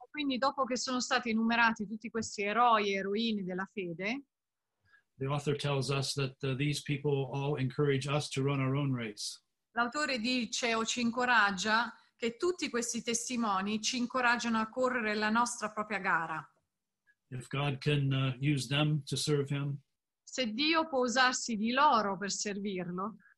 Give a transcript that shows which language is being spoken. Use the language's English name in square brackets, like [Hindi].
[Italian] quindi dopo che sono stati enumerati tutti questi eroi e eroine della fede, [English] the author tells us that these people all encourage us to run our own race. [Italian] L'autore dice o ci incoraggia che tutti questi testimoni ci incoraggiano a correre la nostra propria gara. [English] If God can use them to serve him, [Italian] se Dio può usarsi di loro per servirlo,